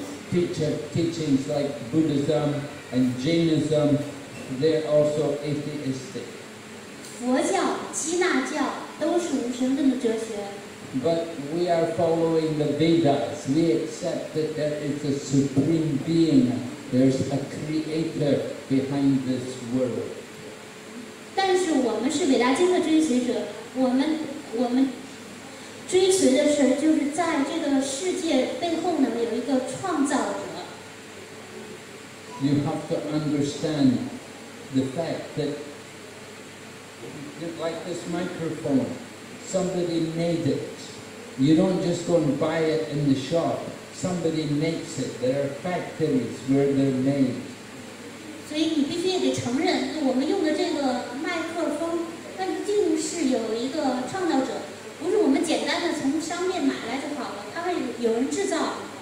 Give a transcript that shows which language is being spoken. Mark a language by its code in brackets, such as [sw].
[en] Teachings like Buddhism and Jainism, they're also atheistic. [zh] 佛教、基纳教都是无神论的哲学。 [en] But we are following the Vedas. We accept that there is a supreme being. There's a creator behind this world. [zh] 但是我们是伟大经的追随者，我们追随的是，就是在这个世界背后呢，有一个创造者。 [en] You have to understand the fact that. Like this microphone, somebody made it. You don't just go and buy it in the shop. Somebody makes it. There are factories where they're made. [zh] 所以你必须得承认，我们用的这个麦克风，那一定是有一个创造者，不是我们简单的从商店买来就好了，它会有人制造。